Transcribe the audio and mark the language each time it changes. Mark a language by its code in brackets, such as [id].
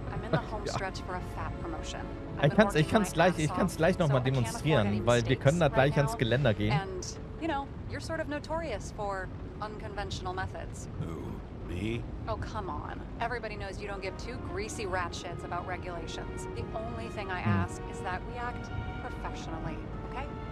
[en] I'm in the home stretch for a fat promotion. [de] Ich kann's gleich noch mal demonstrieren, weil wir können da gleich ans Geländer gehen. [en] And, you know, you're sort of notorious for unconventional methods. Who? Me? Oh, come on. Everybody knows you don't give two greasy rat shits about regulations. The only thing I ask is that we act professionally, okay?